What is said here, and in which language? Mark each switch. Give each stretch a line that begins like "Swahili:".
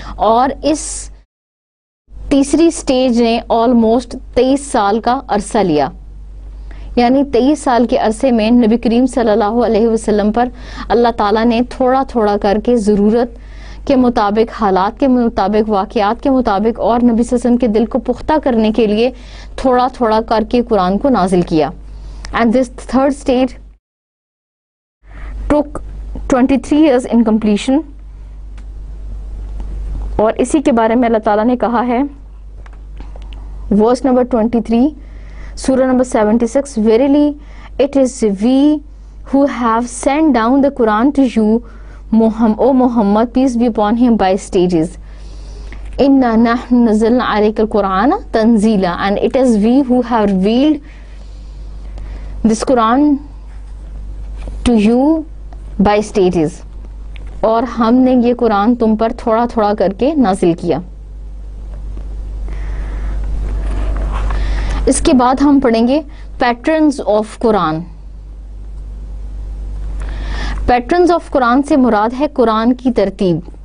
Urdu: اور اس تیسری سٹیج نے آلموسٹ 23 سال کا عرصہ لیا, یعنی 23 سال کے عرصے میں نبی کریم صلی اللہ علیہ وسلم پر اللہ تعالیٰ نے تھوڑا تھوڑا کر کے ضرورت کے مطابق, حالات کے مطابق, واقعات کے مطابق, اور نبی صلی اللہ علیہ وسلم کے دل کو پختہ کرنے کے لیے تھوڑا تھوڑا کر کے قرآن کو نازل کیا.
English: And this third stage took 23 years in completion. اور اسی کے بارے میں اللہ تعالیٰ نے کہا ہے verse number 23 سورہ number 76 Verily it is we who have sent down the Quran to you O Muhammad, peace be upon him, by stages.
Arabic: Inna nahnu nazzalna alayka al-Quran tanzeela.
English: And it is we who have revealed this Quran to you by stages.
Urdu: اور ہم نے یہ قرآن تم پر تھوڑا تھوڑا کر کے نازل کیا. اس کے بعد ہم پڑھیں گے patterns of Quran. Patterns of Quran se murad hai Quran ki tartib.